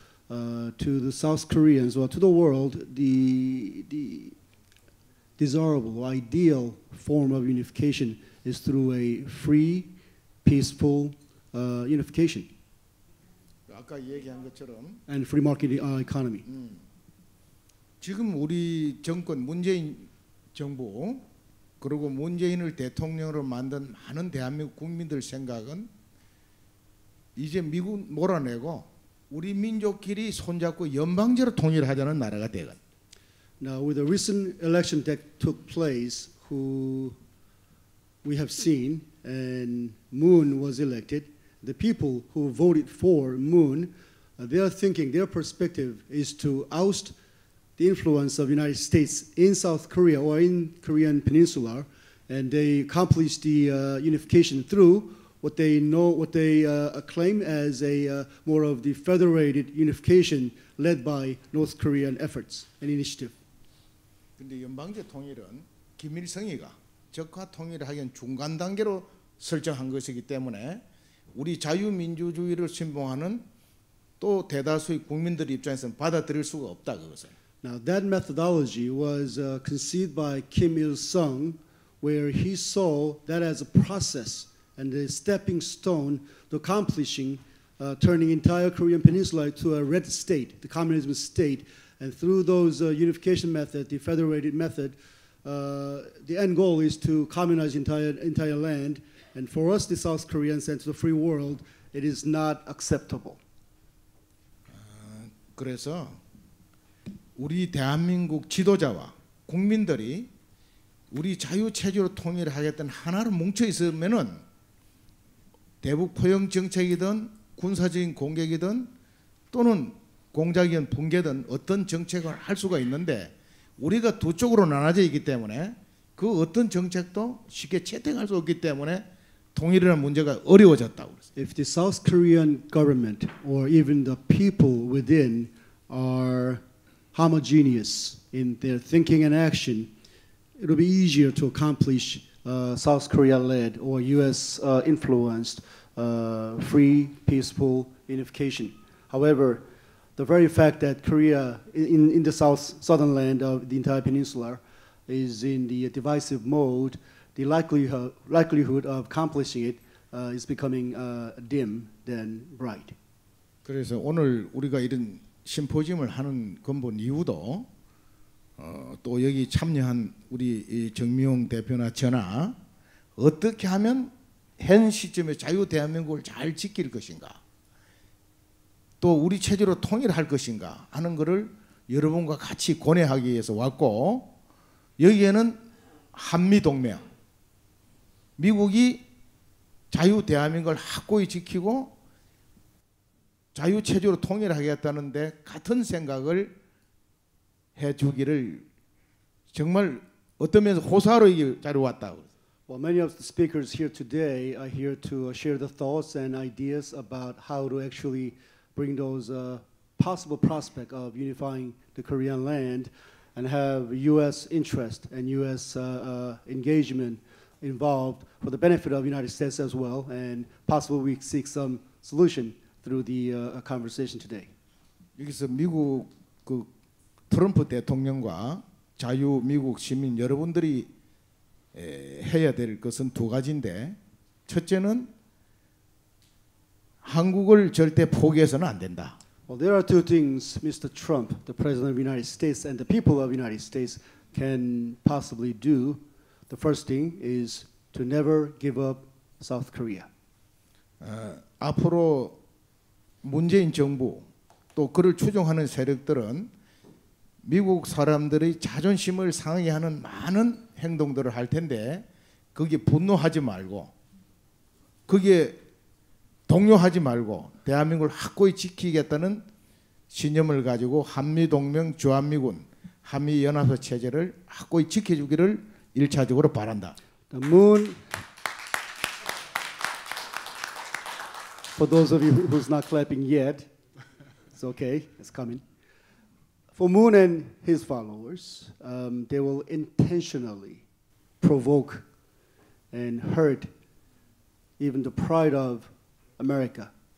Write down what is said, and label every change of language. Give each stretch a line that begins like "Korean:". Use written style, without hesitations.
English: To the South Koreans or to the world, the desirable or ideal form of unification is through a free, peaceful unification.
Korean: 아까 얘기한 것처럼
English: and free market economy.
Korean: 지금 우리 정권 문재인 정부 그리고 문재인을 대통령으로 만든 많은 대한민국 국민들 생각은 이제 미국 몰아내고 우리 민족끼리 손잡고 연방제로 통일하자는 나라가 되건.
English: Now with the recent election that took place, who we have seen and Moon was elected, the people who voted for Moon, their thinking, their perspective is to oust the influence of United States in South Korea or in Korean Peninsula, and they accomplished the unification through what they know, what they claim as a more of the federated unification led by North Korean efforts and initiative.
Korean: 근데 연방제 통일은 김일성이가 적화 통일을 하기엔 중간 단계로 설정한 것이기 때문에 우리 자유민주주의를 신봉하는 또 대다수의 국민들 입장에서는 받아들일 수가 없다 그것을.
English: Now that methodology was conceived by Kim Il-sung where he saw that as a process and a stepping stone to accomplishing turning entire Korean peninsula to a red state, the communism state. And through those unification method, the federated method, the end goal is to communize entire land. And for us, the South Koreans and the free world, it is not acceptable.
Korean: 그래서 우리 대한민국 지도자와 국민들이 우리 자유 체제로 통일을 하겠다는 하나로 뭉쳐 있으면은 대북 포용 정책이든 군사적인 공격이든 또는 공작이든 붕괴든 어떤 정책을 할 수가 있는데 우리가 두 쪽으로 나눠져 있기 때문에 그 어떤 정책도 쉽게 채택할 수 없기 때문에 통일이라는 문제가 어려워졌다고 그랬어요.
English: If the South Korean government or even the people within are homogeneous in their thinking and action, it will be easier to accomplish South Korea-led or U.S.-influenced free, peaceful unification. However, the very fact that Korea in the southern land of the entire peninsula is in the divisive mode, the likelihood of accomplishing it is becoming dim than bright.
Korean: 그래서 오늘 우리가 이런 심포지엄을 하는 근본 이유도 또 여기 참여한 우리 정미용 대표나 전하 어떻게 하면 현 시점에 자유 대한민국을 잘 지킬 것인가 또 우리 체제로 통일할 것인가 하는 것을 여러분과 같이 고뇌하기 위해서 왔고 여기에는 한미동맹 미국이 자유 대한민국을 확고히 지키고 자유 체제로 통일하겠다는데 같은 생각을 해주기를 정말 어떤 면에서 호소하러 이 자리에 왔다고
English: Well, many of the speakers here today are here to share the thoughts and ideas about how to actually bring those possible prospect of unifying the Korean land and have U.S. interest and U.S. Engagement involved for the benefit of the United States as well, and possibly we seek some solution through the conversation today.
Korean: 여기서 미국 그 트럼프 대통령과 자유 미국 시민 여러분들이 해야 될 것은 두 가지인데 첫째는 한국을 절대 포기해서는 안 된다.
English: Well, there are two things Mr. Trump, the President of the United States and the people of the United States can possibly do. The first thing is to never give up South Korea.
Korean: 앞으로 문재인 정부 또 그를 추종하는 세력들은 미국 사람들의 자존심을 상하게 하는 많은 행동들을 할 텐데 거기에 분노하지 말고 거기에 동요하지 말고 대한민국을 확고히 지키겠다는 신념을 가지고 한미동맹 주한미군 한미연합소 체제를 확고히 지켜주기를 일차적으로 바란다.
English: The moon. For those of you who's not clapping yet, it's okay, it's coming. For Moon and his followers, they will intentionally provoke and hurt even the pride of America.